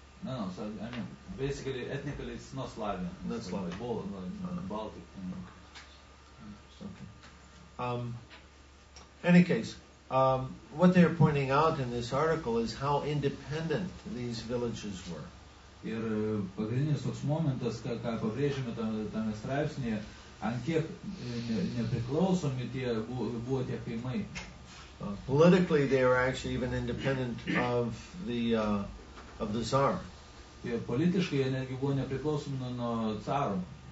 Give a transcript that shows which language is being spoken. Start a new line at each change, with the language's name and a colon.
English: No, so, I mean, basically, ethnically, it's not Slavian. Not Slavic. It's like Baltic. Okay. Any case, what they're pointing out in this article is how independent these villages were.
Lithuanian: Ir pagrindinis toks momentas, ką pabrėžėme tame straipsnėje, ant kiek nepriklausomi tie buvo tie kaimai.
English: Politically they were actually even independent of the Tsar.
Lithuanian: Ir politiškai jie netgi buvo nepriklausomi nuo caro.